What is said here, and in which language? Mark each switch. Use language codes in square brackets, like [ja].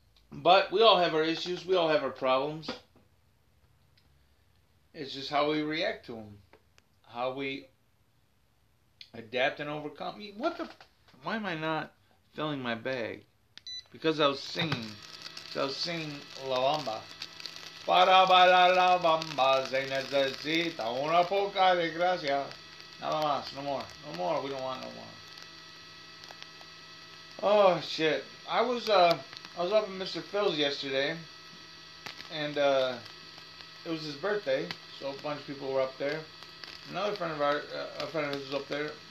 [en] But we all have our issues. We all have our problems. It's just how we react to them. How we adapt and overcome. Why am I not filling my bag? Because I was singing. So I was singing La Bamba. [es] Para bailar la bamba se necesita una poca de gracia. Nada más, [en] no more. No more, we don't want no more. Oh, shit. I was up at Mr. Phil's yesterday. And, it was his birthday. So a bunch of people were up there. Another friend of his was up there.